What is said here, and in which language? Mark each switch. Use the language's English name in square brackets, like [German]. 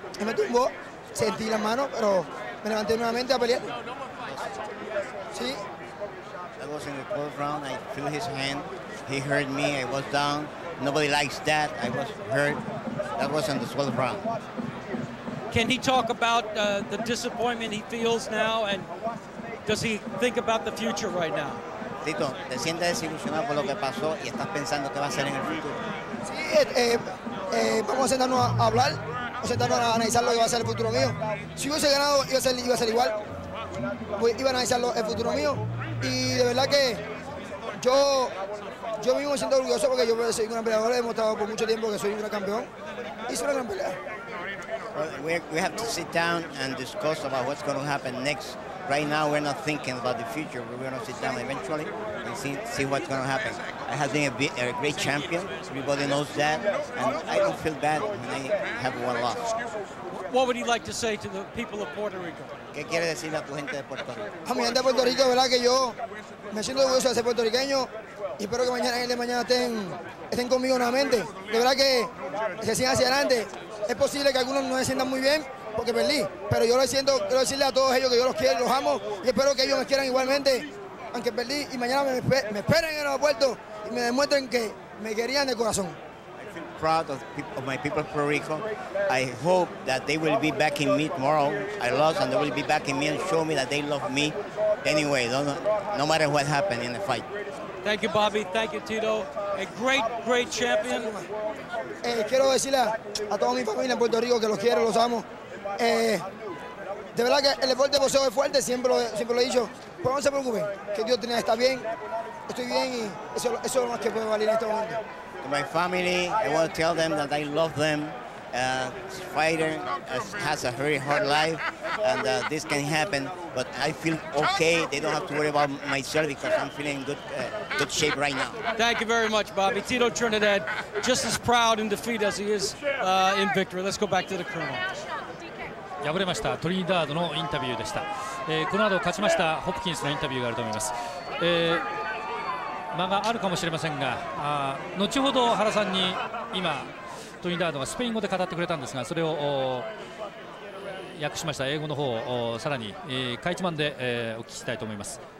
[Spanish] Me tumbó, sentí la mano, pero me levanté nuevamente a pelear. Sí. [English] That was in the fourth round. I threw his hand. He hurt me. I was down. Nobody likes that. I was hurt. That was in the 12th round. Can he talk about the disappointment he feels now, and does he think about the future right now? [Spanish] Tito, ¿te sientes desilusionado por lo que pasó y estás pensando qué va a ser en el futuro? Sí, vamos a sentarnos a hablar, vamos a sentarnos a analizar lo que va a ser el futuro mío. Si hubiese ganado, iba a ser igual. Iba a analizar el futuro mío. Y de verdad que yo mismo me siento orgulloso porque yo soy un gran peleador, he demostrado por mucho tiempo que soy un gran campeón. [English] Well, we have to sit down and discuss about what's going to happen next. Right now, we're not thinking about the future. We're going to sit down eventually and see what's going to happen. I have been a great champion. Everybody knows that. And I don't feel bad when I have one loss. What would you like to say to the people of Puerto Rico? [Spanish] ¿Qué quiere decir a tu gente de Puerto Rico? A mi gente de Puerto Rico, verdad que yo me siento orgulloso de ser puertorriqueño y espero que mañana y el de mañana estén conmigo nuevamente. De verdad que se sigan hacia adelante. Es posible que algunos no se sientan muy bien porque perdí, pero yo lo siento, quiero decirle a todos ellos que yo los quiero, los amo y espero que ellos me quieran igualmente, aunque perdí, y mañana me esperen en el aeropuerto y me demuestren que me querían de corazón. [English] Proud of my people of Puerto Rico. I hope that they will be backing me tomorrow. I lost and they will be backing me and show me that they love me anyway, no matter what happened in the fight. Thank you, Bobby. Thank you, Tito. A great, great champion. [Spanish] Quiero decirle a toda mi familia en Puerto Rico que los quiero, los amo. De verdad que el deporte boxeo es fuerte, siempre lo he dicho. Pero no se preocupen, que Dios tiene que estar bien. Estoy bien y eso es lo más que puede valer en este momento. [English] To my family, I want to tell them that I love them. This fighter has a very hard life, and this can happen, but I feel okay. They don't have to worry about myself because I'm feeling in good shape right now. Thank you very much, Bobby. Tito Trinidad, just as proud in defeat as he is in victory. Let's go back to the colonel. [Japanese] 敗れましたトリニダードのインタビューでした。この後勝ちましたホプキンスのインタビューがあると思います。間があるかもしれませんが、後ほど原さんに今トリニダードがスペイン語で語ってくれたんですが、それを訳しました英語の方をさらに、カイチマンで、お聞きしたいと思います。